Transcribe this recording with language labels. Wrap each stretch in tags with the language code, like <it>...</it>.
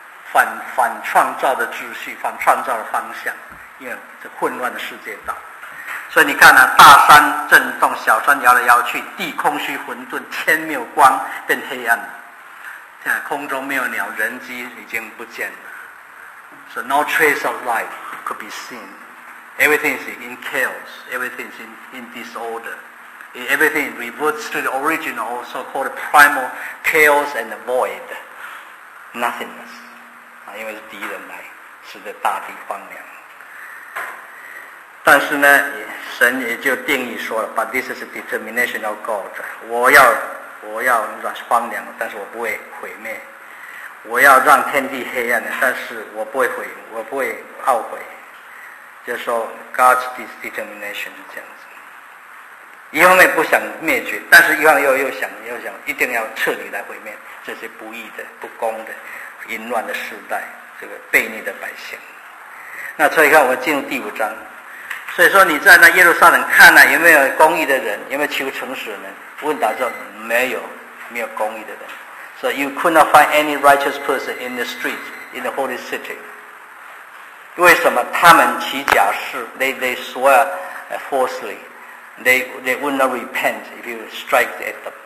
<zh>反创造的秩序，反创造的方向，因为这混乱的世界到。所以你看呢、大山震动，小山摇来摇去，地空虚混沌，天没有光，变黑暗了。空中没有鸟，人迹已经不见了。</zh> <en>So no trace of life could be seen. Everything is in chaos. Everything is in disorder. Everything reverts to the original, so-called primal chaos and void. Nothingness.</en> <zh>因为是敌人来，使得大地荒凉。但是呢，神也就定义说了 ，</zh> <en>But this is a determination of God.</en> <zh>我要荒凉，但是我不会毁灭；我要让天地黑暗，但是我不会毁，我不会懊悔。就是说 ，</zh> <en>God's determination</en> <zh>是这样子。一方面不想灭绝，但是一方面又想一定要彻底来毁灭这些不义的、不公的、淫乱的世代，这个悖逆的百姓。那所以看，我们进入第五章。所以说你在那耶路撒冷看了、有没有公义的人，有没有求诚实的人，问答说没有公义的人。</zh> <en>So you could not find any righteous person in the street in the holy city.</en> <zh>为什么？他们起假誓，</zh> <en>they swear falsely. They would not repent if you strike at them.</en>